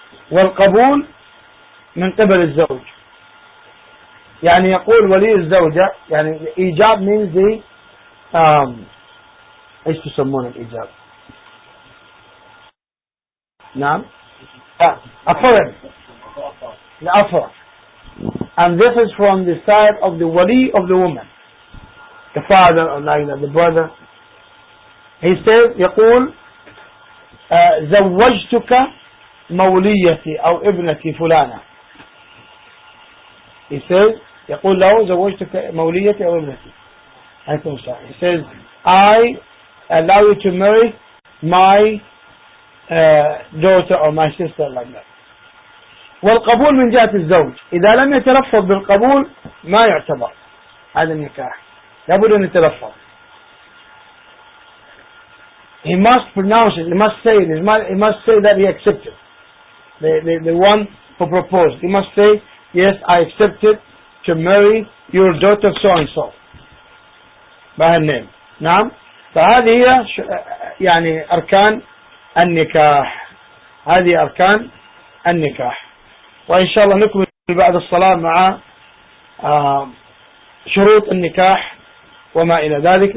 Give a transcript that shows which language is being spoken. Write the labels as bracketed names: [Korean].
[Arabic] والقبول من قبل الزوج. يعني يقول ولي الزوجة, يعني الإيجاب من ذي إيش تسمون الإيجاب؟ نعم. أفضل الأفضل. [English] And this is from the side of the wali of the woman, the father or like that, the brother. He says, [Arabic] يقول زوجتك موليتي أو ابنتي فلانة. [English] He says, [Arabic] يقول له زوجتك موليتي أو ابنتي. [English] I think so. He says, I allow you to marry my daughter or my sister, like that. [Arabic] والقبول من جهة الزوج. إذا لم يترفض بالقبول ما يعتبر هذا النكاح. لابد أن يترفض. [English] He must pronounce it. He must say it. He must say that he accepted. The one who proposed. He must say, yes, I accepted to marry your daughter so and so. By her name. [Arabic] نعم. فهذه هي يعني أركان النكاح. هذه أركان النكاح. وإن شاء الله نكمل بعد الصلاة مع شروط النكاح وما إلى ذلك.